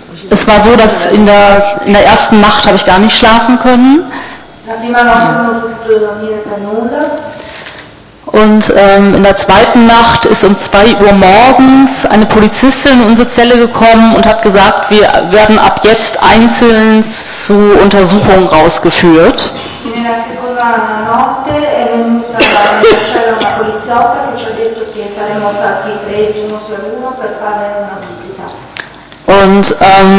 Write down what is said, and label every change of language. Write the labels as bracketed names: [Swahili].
[German] Es war so, dass in der ersten Nacht habe ich gar nicht schlafen können. [Italian] La prima notte non ho potuto dormire per nulla. [German] Und in der zweiten Nacht ist um 2 Uhr morgens eine Polizistin in unsere Zelle gekommen und hat gesagt, wir werden ab jetzt einzeln zu Untersuchungen rausgeführt. In der [Italian] seconda notte è venuta una poliziotta che ci ha detto che saremmo stati presi uno su uno per fare una visita.